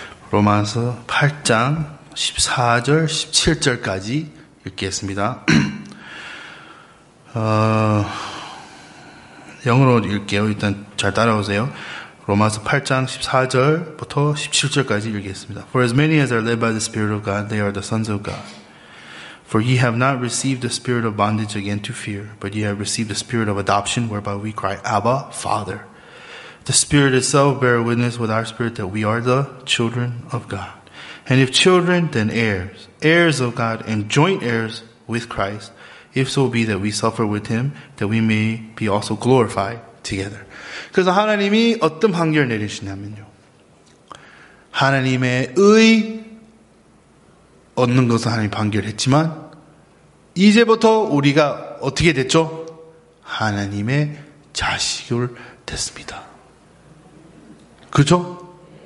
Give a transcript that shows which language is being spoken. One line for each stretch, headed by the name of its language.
Korean: 로마서 8장 14절 17절까지 읽겠습니다. 영어로 읽게요. 일단 잘 따라오세요. 로마서 8장 14절부터 17절까지 읽겠습니다.
English: For as many as are led by the Spirit of God, they are the sons of God. For ye have not received the spirit of bondage again to fear, but ye have received the spirit of adoption, whereby we cry, Abba, Father. The Spirit itself bear witness with our spirit that we are the children of God. And if children, then heirs, heirs of God, and joint heirs with Christ, if so be that we suffer with him, that we may be also glorified together.
Korean: 그래서 하나님이 어떤 판결을 내리시냐면요. 하나님의 의 얻는 것을 하나님이 판결했지만 이제부터 우리가 어떻게 됐죠? 하나님의 자식을 됐습니다. 그렇죠?